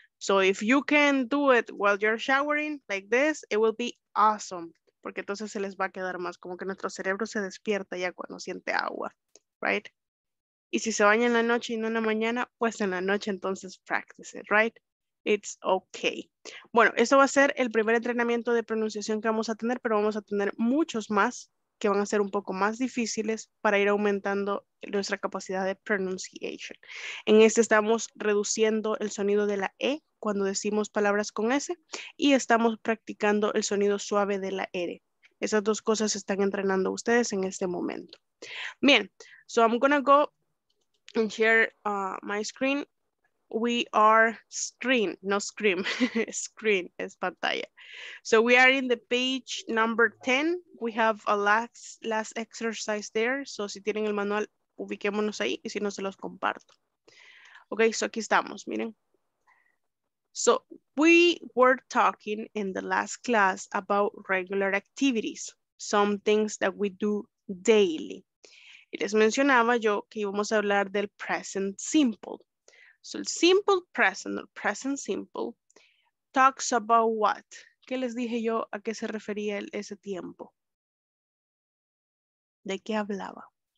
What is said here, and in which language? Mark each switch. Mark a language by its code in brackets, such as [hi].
[en] So if you can do it while you're showering like this, it will be awesome. [es] Porque entonces se les va a quedar más, como que nuestro cerebro se despierta ya cuando siente agua, right? Y si se baña en la noche y no en la mañana, pues en la noche entonces [en] practice it, right? It's okay. [es] Bueno, esto va a ser el primer entrenamiento de pronunciación que vamos a tener, pero vamos a tener muchos más que van a ser un poco más difíciles para ir aumentando nuestra capacidad de pronunciation. En este estamos reduciendo el sonido de la E cuando decimos palabras con S y estamos practicando el sonido suave de la R. Esas dos cosas están entrenando ustedes en este momento. [en] Bien, so I'm gonna go and share my screen. We are screen, no scream, screen [es] es pantalla. [en] So we are in the page number 10. We have a last exercise there. [es] So si tienen el manual, ubiquémonos ahí y si no, se los comparto. Okay, so aquí estamos, miren. [en] So we were talking in the last class about regular activities, some things that we do daily. [es] Y les mencionaba yo que íbamos a hablar del present simple. [en] So el simple present, el present simple, talks about what? [es] ¿Qué les dije yo? ¿A qué se refería ese tiempo? ¿De qué hablaba?